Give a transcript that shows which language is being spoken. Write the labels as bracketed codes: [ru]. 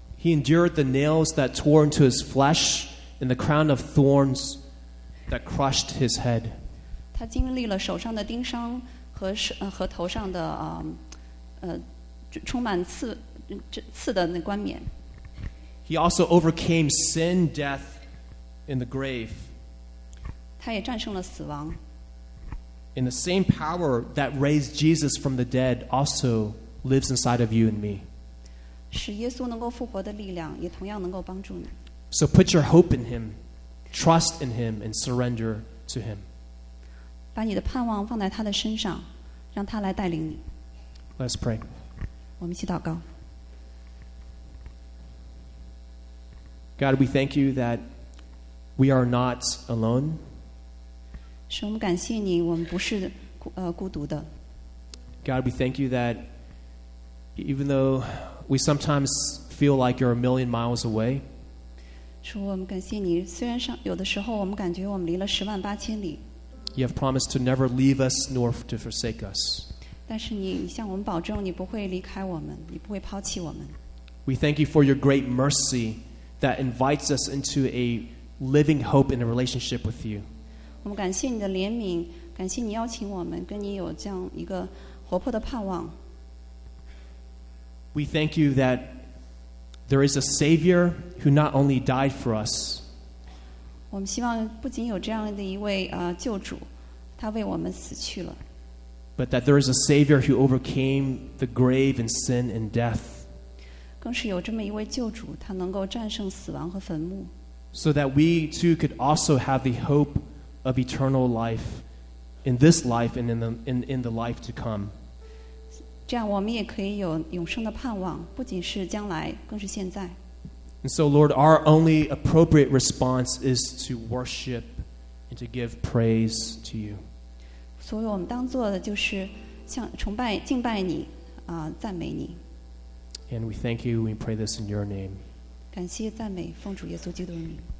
[en] He endured the nails that tore into his flesh and the crown of thorns that crushed his head. [zh] 他经历了手上的钉伤和头上的充满刺的那冠冕。 [en] He also overcame sin, death, and the grave. [zh] 他也战胜了死亡。 [en] And the same power that raised Jesus from the dead also lives inside of you and me. [zh] 使耶稣能够复活的力量也同样能够帮助你。 [en] So put your hope in him, trust in him, and surrender to him. [zh] 把你的盼望放在他的身上，让他来带领你。 [en] Let's pray. [zh] 我们一起祷告。 [en] God, we thank you that we are not alone. [zh] 使我们感谢你，我们不是孤独的。 [en] God, we thank you that even though we sometimes feel like you're a million miles away. [zh] 主，我们感谢你，虽然上有的时候我们感觉我们离了十万八千里。 [en] You have promised to never leave us nor to forsake us. [zh] 但是你向我们保证，你不会离开我们，你不会抛弃我们。 [en] We thank you for your great mercy that invites us into a living hope in a relationship with you. [zh] 我们感谢你的怜悯，感谢你邀请我们跟你有这样一个活泼的盼望。 [en] We thank you that there is a Savior who not only died for us. [zh] 我们希望不仅有这样的一位救主，他为我们死去了。 [en] But that there is a Savior who overcame the grave and sin and death. [zh] 更是有这么一位救主，他能够战胜死亡和坟墓。 [en] So that we too could also have the hope of eternal life in this life and in the life to come. [zh] 这样我们也可以有永生的盼望，不仅是将来，更是现在。 [en] And so, Lord, our only appropriate response is to worship and to give praise to you. [zh] 所以我们当做的就是向崇拜、敬拜你，赞美你。 [en] And we thank you. We pray this in your name. [zh] 感谢赞美，奉主耶稣基督的名。